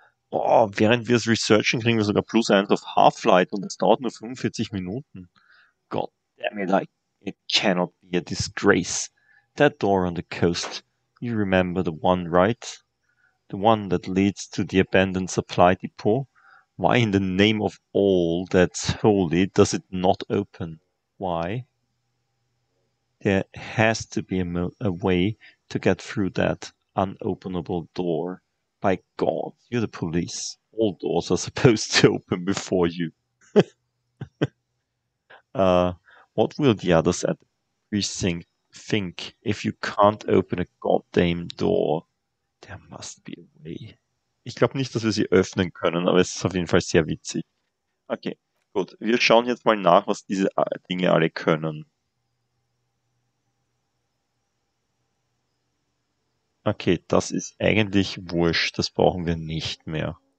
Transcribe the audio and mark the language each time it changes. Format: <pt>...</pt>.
<de>Oh, während wir es researchen, kriegen wir sogar plus 1 auf Half-Light und es dauert nur 45 Minuten.</de> <en>God damn it, like, it cannot be a disgrace. That door on the coast, you remember the one, right? The one that leads to the abandoned supply depot? Why in the name of all that's holy does it not open? Why? There has to be a way to get through that unopenable door. By God, you're the police. All doors are supposed to open before you. What will the others at the precinct think if you can't open a goddamn door? There must be a way.</en> <de>Ich glaube nicht, dass wir sie öffnen können, aber es ist auf jeden Fall sehr witzig. Okay, gut. Wir schauen jetzt mal nach, was diese Dinge alle können. Okay, das ist eigentlich wurscht. Das brauchen wir nicht mehr.</de>